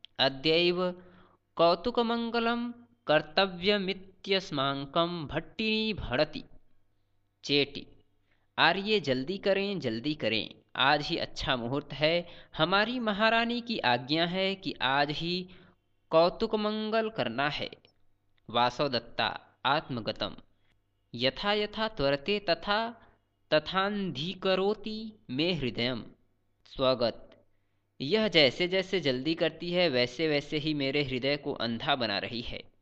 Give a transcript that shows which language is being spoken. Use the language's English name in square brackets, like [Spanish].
[Sanskrit] अद्यैव कौतुकमंगलम कर्तव्यमित्यस्मांकं भट्टिनी भणति। चेटी। [Hindi] आर्ये जल्दी करें जल्दी करें, आज ही अच्छा मुहूर्त है। हमारी महारानी की आज्ञा है कि आज ही कौतुक मंगल करना है। [Sanskrit] वासव दत्ता। आत्मगतम्। यथा यथा त्वरते तथा तथान्धिकरोति मे हृदयम्। [Hindi] स्वगत। यह जैसे जैसे जल्दी करती है वैसे वैसे ही मेरे हृदय को अंधा बना रही है।